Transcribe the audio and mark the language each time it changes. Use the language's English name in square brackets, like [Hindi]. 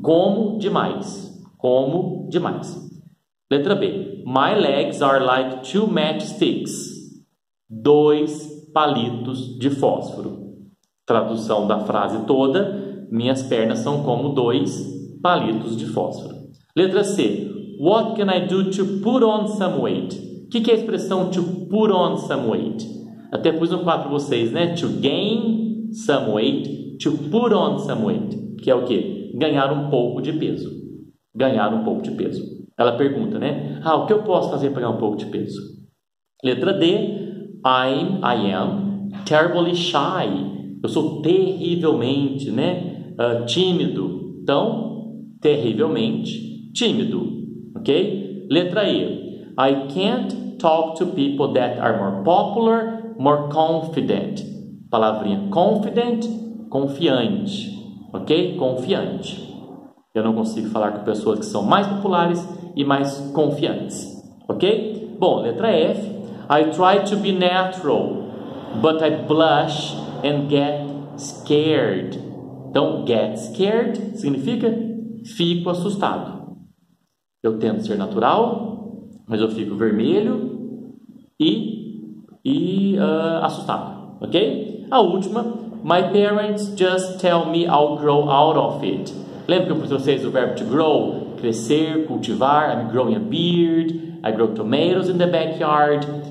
[Portuguese] Como demais. Como demais. Letra B. [English] My legs are like two matchsticks. [Portuguese] Dois palitos de fósforo. Tradução da frase toda: minhas pernas são como dois palitos de fósforo. Letra C. [English] What can I do to put on some weight? [Portuguese] O que, que é a expressão [English] to put on some weight? [Portuguese] Até pus um papo para vocês, né? [English] To gain some weight, [Portuguese] to put on some weight. Que é o quê? Ganhar um pouco de peso. Ganhar um pouco de peso. Ela pergunta, né? Ah, o que eu posso fazer para ganhar um pouco de peso? Letra D. [English] I am terribly shy. [Portuguese] Eu sou terrivelmente, né? Tímido. Então, terrivelmente tímido. Ok? Letra E. [English] I can't talk to people that are more popular, more confident. [Portuguese] Palavrinha confident, confiante. Ok? Confiante. Eu não consigo falar com pessoas que são mais populares e mais confiantes. Ok? Bom, letra F. [English] I try to be natural, but I blush and get scared. [Portuguese] Então, [English] get scared [Portuguese] significa fico assustado. Eu tento ser natural, mas eu fico vermelho e assustado, ok? A última, [English] my parents just tell me I'll grow out of it. [Portuguese] Lembra que eu trouxe vocês o verbo [English] to grow? [Portuguese] Crescer, cultivar, [English] I'm growing a beard, I grow tomatoes in the backyard.